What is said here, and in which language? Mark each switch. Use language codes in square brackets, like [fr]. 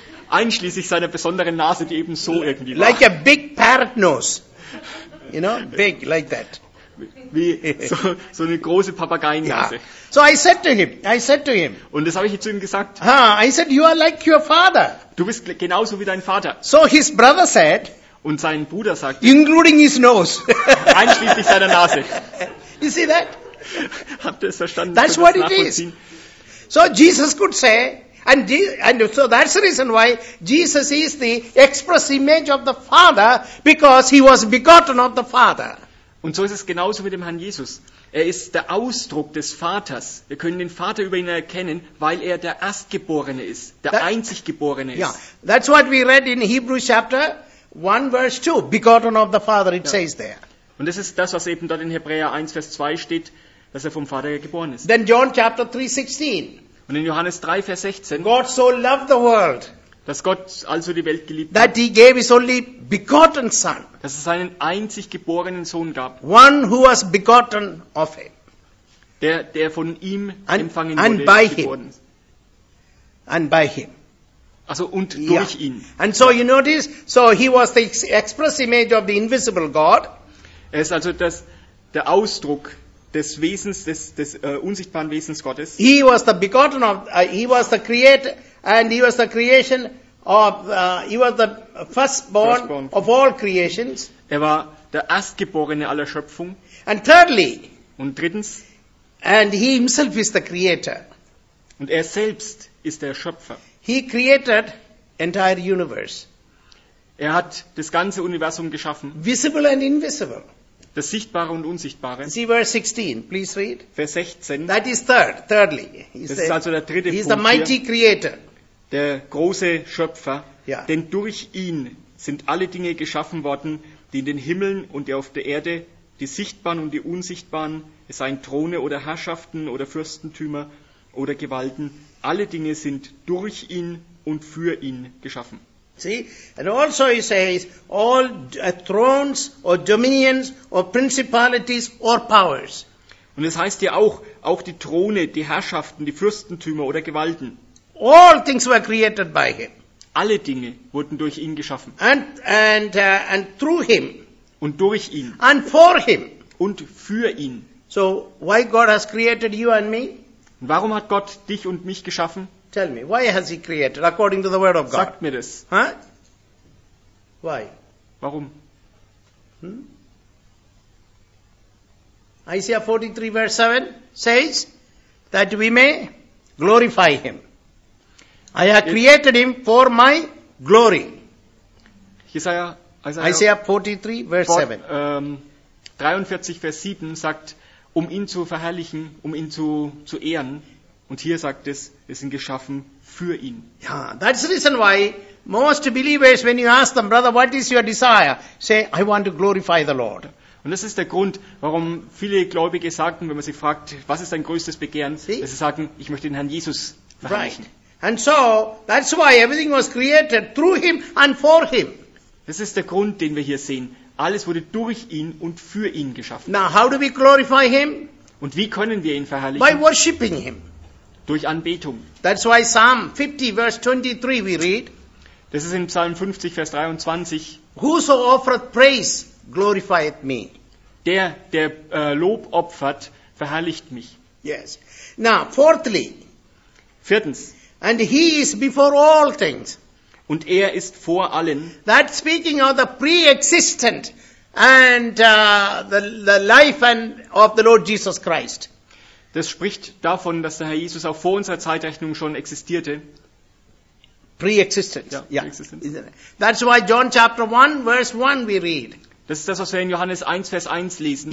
[de] Einschließlich seiner besonderen Nase, die eben so irgendwie war. [en] Like a big parrot nose. You know, big like that. [de] Wie so eine große Papageiennase. [en] Yeah. So I said to him. [de] Und das habe ich zu ihm gesagt. [en] I said, you are like your father. [de] Du bist genauso wie dein Vater. [en] So his brother said. [de] Und sein Bruder sagt. [en] Including his nose. [de] Einschließlich seiner Nase. [en] You see that? [de] Habt ihr es verstanden? [en] That's what it is. So Jesus could say, and so that's the reason why Jesus is the express image of the Father, because he was begotten of the Father. [de] Und so ist es genauso mit dem Herrn Jesus. Er ist der Ausdruck des Vaters. Wir können den Vater über ihn erkennen, weil er der Erstgeborene ist, der Einziggeborene ist. [en] Yeah, that's what we read in Hebrews chapter 1 verse 2. Begotten of the Father, it says there. [de] Und das ist das, was eben dort in Hebräer 1 vers 2 steht, dass er vom Vater geboren ist. [en] Then John chapter 3:16. [de] Und in Johannes 3 vers 16. [en] God so loved the world. [de] Dass Gott also die Welt geliebt [en] hat. That he gave his only begotten son. [de] Dass es seinen einzig geborenen Sohn gab. [en] One who was begotten of him. [de] Der von ihm empfangen [en] and [de] wurde. [en] By [de] geboren. [en] Him. And by him. [de] Also und durch ihn. [en] And so you notice, so he was the express image of the invisible God. [de] Er ist also der Ausdruck des Wesens, des unsichtbaren Wesens Gottes. [en] He was the begotten of, he was the creator. And he was the creation of, he was the firstborn of all creations. [de] Er war der Erstgeborene aller Schöpfung. [en] And thirdly. [de] Und drittens. [en] And he himself is the creator. [de] Und er selbst ist der Schöpfer. [en] He created entire universe. [de] Er hat das ganze Universum geschaffen. [en] Visible and invisible. [de] Das Sichtbare und Unsichtbare. [en] See verse 16, please read. [de] Vers 16. [en] That is third, thirdly. [de] Das ist also der dritte Punkt. [en] He is the mighty creator. [de] Der große Schöpfer. [en] Yeah. [de] Denn durch ihn sind alle Dinge geschaffen worden, die in den Himmeln und die auf der Erde, die Sichtbaren und die Unsichtbaren, es seien Throne oder Herrschaften oder Fürstentümer oder Gewalten, alle Dinge sind durch ihn und für ihn geschaffen. [en] See, and also he says, all thrones or dominions or principalities or powers. [de] Und es heißt ja auch die Throne, die Herrschaften, die Fürstentümer oder Gewalten. [en] All things were created by him. [de] Alle Dinge wurden durch ihn geschaffen. [en] And through him. [de] Und durch ihn. [en] And for him. [de] Und für ihn. [en] So why God has created you and me? [de] Warum hat Gott dich und mich geschaffen? [en] Tell me, why has he created according to the word of God? [de] Sagt mir das. [en] Huh? Why? [de] Warum? [en] Isaiah 43 verse 7 says that we may glorify him. I have created him for my glory. Isaiah 43 verse 7. [de] 43 Vers 7 sagt, um ihn zu verherrlichen, um ihn zu ehren. Und hier sagt es, wir sind geschaffen für ihn. [en] Ja, that's the reason why most believers, when you ask them, brother, what is your desire? Say, I want to glorify the Lord. [de] Und das ist der Grund, warum viele Gläubige sagen, wenn man sie fragt, was ist dein größtes Begehren? [en] See? [de] Dass sie sagen, ich möchte den Herrn Jesus verherrlichen. [en] Right. And so, that's why everything was created through him and for him. [de] Das ist der Grund, den wir hier sehen. Alles wurde durch ihn und für ihn geschaffen. [en] Now, how do we glorify him? [de] Und wie können wir ihn verherrlichen? [en] By worshiping him. [de] Durch Anbetung. [en] That's why Psalm 50 verse 23 we read. [de] Das ist in Psalm 50 Vers 23. [en] Whoso offereth praise glorifieth me. [de] Der Lob opfert, verherrlicht mich. [en] Yes. Now, fourthly. [de] Viertens. [en] And he is before all things. [de] Und er ist vor allen. [en] That speaking of the pre-existent and the life and of the Lord Jesus Christ. [de] Das spricht davon, dass der Herr Jesus auch vor unserer Zeitrechnung schon existierte. [en] Pre-existent. [de] Ja. [en] That's why John chapter 1 verse 1 we read. [de] Das ist das, was wir in Johannes 1 Vers 1 lesen.